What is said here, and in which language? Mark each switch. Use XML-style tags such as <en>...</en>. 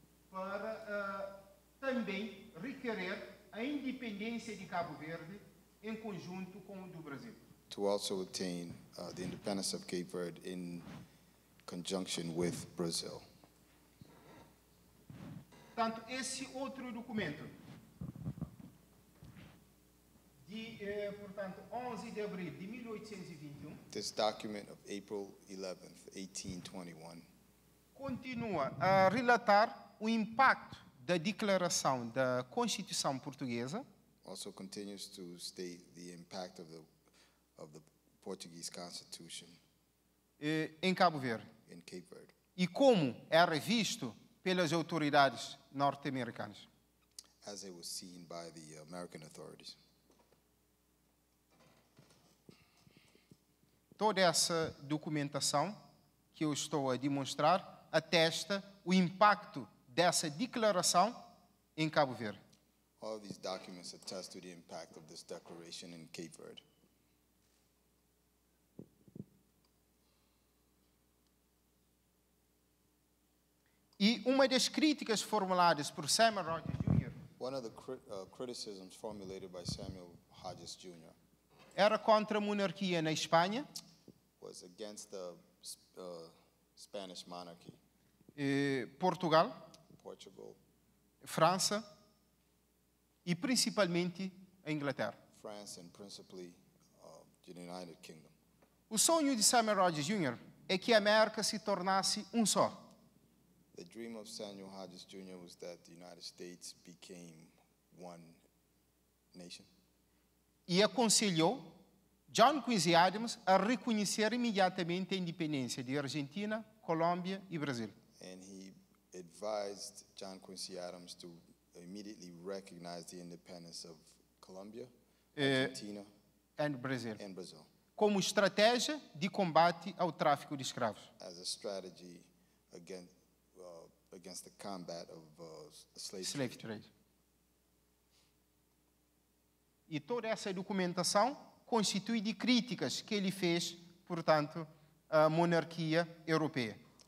<pt>para também requerer a independência de Cabo Verde em conjunto com o do Brasil.</pt> <en>To also obtain the independence of Cape Verde in conjunction with Brazil.</en> <pt>Tanto esse outro documento de, portanto, 11 de abril de 1821.</pt> <en>This document of April 11th, 1821.</en> <pt>Continua a relatar o impacto da declaração da Constituição Portuguesa.</pt> <en>Also continues to state the impact of the Portuguese Constitution.</en> <pt>Em Cabo Verde.</pt> <en>In Cape Verde.</en> <pt>E como era visto pelas autoridades norte-americanas.</pt> <en>As it was seen by the American authorities.</en> <pt>Toda essa documentação que eu estou a demonstrar atesta o impacto dessa declaração em Cabo Verde.</pt> <en>All these documents attest to the impact of this declaration in Cape Verde.</en> <pt>E uma das críticas formuladas por Samuel Rogers Jr.</pt> <en>One of the criticisms formulated by Samuel Rogers Jr.</en> <pt>era contra a monarquia na Espanha.</pt> <en>Was against the Spanish monarchy.</en> <pt>Portugal.</pt> <en>Portugal.</en> <pt>França. E principalmente a Inglaterra.</pt> <en>France and principally the United Kingdom.</en> <pt>O sonho de Samuel Rogers Jr. é que a América se tornasse um só.</pt> <en>The dream of Samuel Rogers Jr. was that the United States became one nation.</en> <pt>E aconselhou John Quincy Adams a reconhecer imediatamente a independência de Argentina, Colômbia e Brasil.</pt> <en>And he advised John Quincy Adams to immediately recognize the independence of Colombia, Argentina, and Brazil. And Brazil.</en> <pt>Como estratégia de combate ao tráfico de escravos.</pt> <en>As a strategy against against the combat of slave trade.</en> <pt>E toda essa documentação constitui de críticas que ele fez, portanto, à monarquia europeia.</pt>